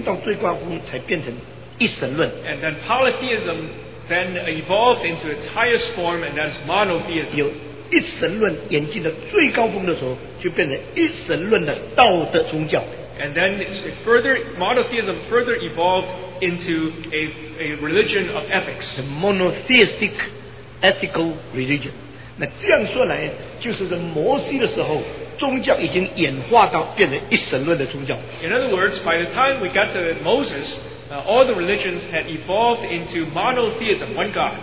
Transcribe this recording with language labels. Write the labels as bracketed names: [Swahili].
[English] And then polytheism then evolved into its highest form, and that's monotheism. [Chinese] 有一神论演进的最高峰的时候，就变成一神论的道德宗教。 [English] And then monotheism further evolved into a religion of ethics. The monotheistic ethical religion. [Chinese] 那这样说来，就是在摩西的时候，宗教已经演化到变成一神论的宗教。 [English] In other words, by the time we got to Moses, all the religions had evolved into monotheism, one God.